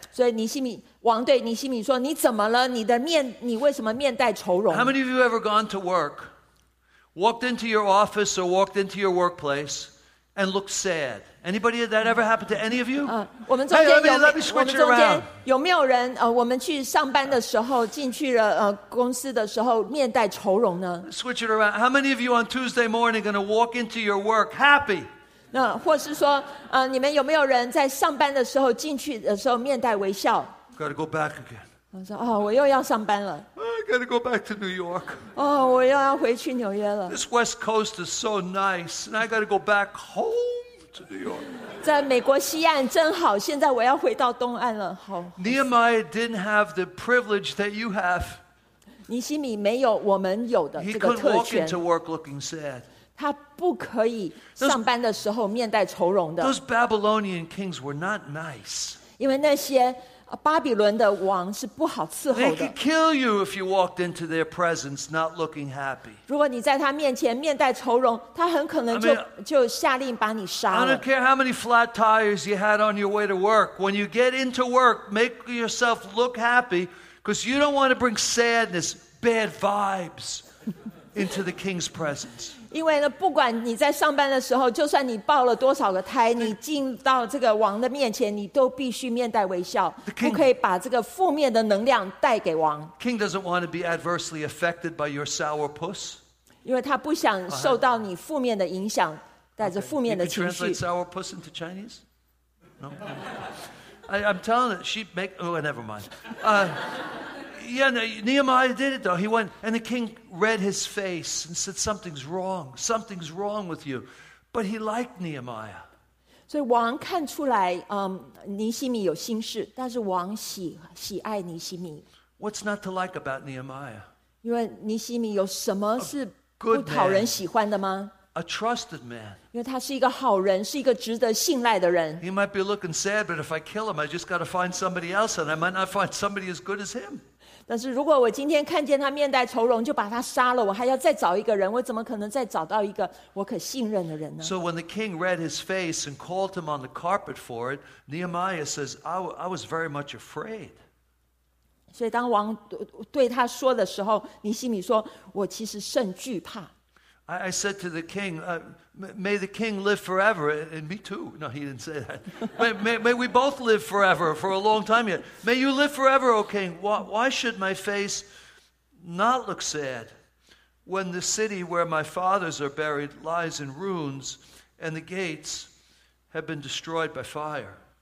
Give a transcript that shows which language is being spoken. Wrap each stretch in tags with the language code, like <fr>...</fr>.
<zh>所以尼希米王对尼希米说：“你怎么了？你为什么面带愁容</zh> <en>？”How many of you ever gone to work, walked into your office or walked into your workplace and looked sad? Anybody that ever happened to any of you?</en> <zh>我们中间有</zh> <en>hey, let me switch it around.</en> <zh>有没有人我们去上班的时候进去了公司的时候面带愁容呢</zh> <en>？Switch it around. How many of you on Tuesday morning going to walk into your work happy?</en> <zh>那或是说，你们有没有人在上班的时候进去的时候面带微笑</zh> <en>？Got to go back again.</en> <zh>我说，哦，我又要上班了。</zh> <en>I got to go back to New York.</en> <zh>哦，我又要回去纽约了。</zh> <en>This West Coast is so nice, and I got to go back home to New York.</en> <zh>在美国西岸真好，现在我要回到东岸了。好。</zh> <en>Nehemiah didn't have the privilege that you have.</en> <zh>尼希米没有我们有的这个特权。</zh> <en>He couldn't walk into work looking sad.</en> <zh>他不可以上班的时候面带愁容的。</zh> <en>Those Babylonian kings were not nice.</en> <zh>因为那些巴比伦的王是不好伺候的。</zh> <en>They could kill you if you walked into their presence not looking happy.</en> <zh>如果你在他面前面带愁容，他很可能就下令把你杀了。</zh> <en>I don't care how many flat tires you had on your way to work. When you get into work, make yourself look happy, because you don't want to bring sadness, bad vibes into the king's presence.</en> <zh>因为呢，不管你在上班的时候，就算你抱了多少个胎，你进到这个王的面前，你都必须面带微笑，不可以把这个负面的能量带给王。</zh> <en>King doesn't want to be adversely affected by your sourpuss.</en> <zh>因为他不想受到你负面的影响，带着负面的情绪。</zh> <en>You can translate sourpuss into Chinese? No. I'm telling it. She make. Oh, never mind. Yeah, no, Nehemiah did it though. He went, and the king read his face and said, "Something's wrong. Something's wrong with you." But he liked Nehemiah.</en> <zh>So, 王看出来，尼希米有心事，但是王喜爱尼希米。</zh> <en>What's not to like about Nehemiah?</en> <zh>因为尼希米有什么是不讨人喜欢的吗？</zh> <en>A trusted man.</en> <zh>因为他是一个好人，是一个值得信赖的人。</zh> <en>He might be looking sad, but if I kill him, I just got to find somebody else, and I might not find somebody as good as him.</en> <zh>但是如果我今天看见他面带愁容，就把他杀了，我还要再找一个人，我怎么可能再找到一个我可信任的人呢</zh> <en>？So when the king read his face and called him on the carpet for it, Nehemiah says, "I was very much afraid."</en> <zh>所以当王对他说的时候，尼希米说：“我其实甚惧怕。”</zh> <en>I said to the king, "May the king live forever, and me too." No, he didn't say that. May we both live forever for a long time yet. May you live forever, O king. Why should my face not look sad when the city where my fathers are buried lies in ruins and the gates have been destroyed by fire?</en>